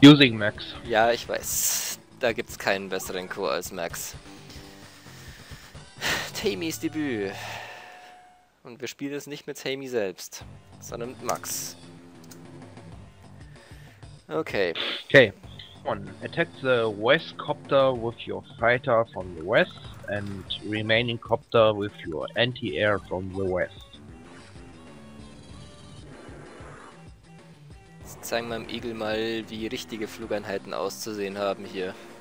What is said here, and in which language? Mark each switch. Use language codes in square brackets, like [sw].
[en] Using Max. [de] Ja, ich weiß. Da gibt's keinen besseren Chor als Max. Tamys Debüt. Und wir spielen es nicht mit Tammy selbst, sondern mit Max. Okay. [en] Okay. One. Attack the West copter with your fighter from the West and remaining copter with your anti-air from the West. [de] Jetzt zeigen wir dem Eagle mal, wie richtige Flugeinheiten auszusehen haben hier.